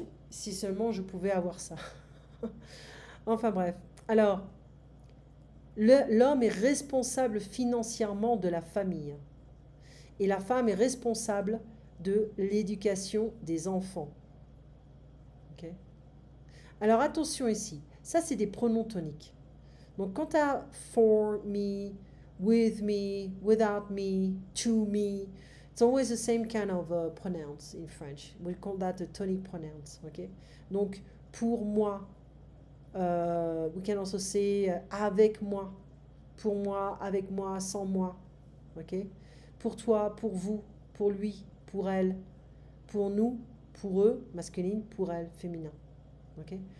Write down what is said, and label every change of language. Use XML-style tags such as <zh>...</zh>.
<fr>Si seulement je pouvais avoir ça. Enfin bref, alors. L'homme est responsable financièrement de la famille et la femme est responsable de l'éducation des enfants. Okay. Alors attention ici, ça c'est des pronoms toniques. Donc quand tu as</fr> <en>for me, with me, without me, to me, it's always the same kind of pronouns in French. We call that the tonic pronouns. Okay.</en> <fr>Donc pour moi,</fr> <en>we can also say</en> <fr>avec moi. Pour moi, avec moi, sans moi, ok? Pour toi, pour vous, pour lui, pour elle, pour nous, pour eux, masculine, pour elle, féminin, ok?</fr>